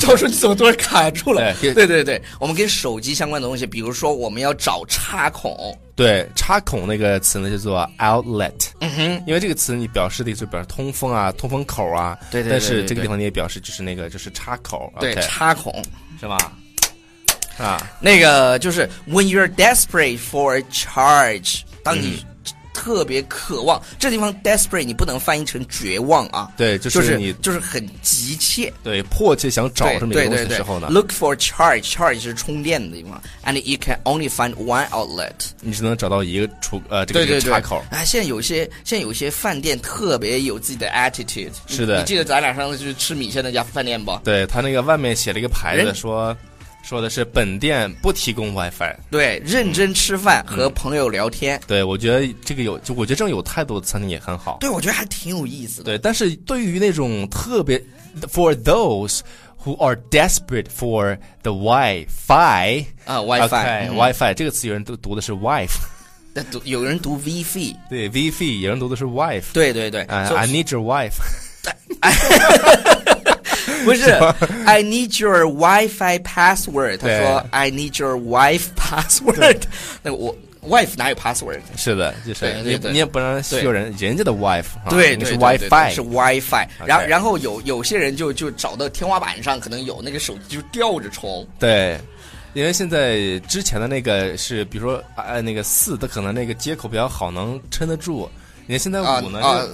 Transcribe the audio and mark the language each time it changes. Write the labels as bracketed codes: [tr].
[zh] 赵叔，你怎么突然卡住了？对，我们跟手机相关的东西，比如说我们要找插孔。对，插孔那个词呢叫做 outlet。嗯哼，因为这个词你表示的就表示通风啊，通风口啊。对。但是这个地方你也表示就是那个就是插口。对， [en] okay, [zh] 插孔是吧？啊， [en] 那个就是 when you're desperate for charge， [zh] 当你。特别渴望，这地方 desperate 你不能翻译成绝望啊，对，就是你、就是很急切，对，迫切想找什么东西的时候呢，对对对对， [en] look for charge， charge [zh] 是充电的地方， [en] and you can only find one outlet， [zh] 你只能找到一个出这个对对对插口、啊、现在有些饭店特别有自己的 attitude，是的，你记得咱俩上次去吃米线那家饭店不，对，他那个外面写了一个牌子说的是本店不提供 WiFi，对，认真吃饭和朋友聊天、对，我觉得这个有，就我觉得这种有态度的餐厅也很好，对，我觉得还挺有意思的，对，但是对于那种特别 [en] for those who are desperate for the WiFi [zh] 啊 WiFi okay,、WiFi 这个词有人读的是 wife，有人读 Wi-Fi，对 Wi-Fi 有人读的是 wife，对对对、 [en] I need your wife， [zh] 不是 [en] I need your Wi-Fi password， [zh] 他说 [en] I need your wife password， [zh] 那个我 [en] wife [zh] 哪有 [en] password， [zh] 是的，就是对对对，你也不能秀人家的 wife，对、啊、是 Wi-Fi，对对对对，是 Wi-Fi、 [en] okay. [zh] 然后有些人就找到天花板上可能有那个手机就吊着充，对，因为现在之前的那个是比如说、那个4的可能那个接口比较好能撑得住，你看现在5呢、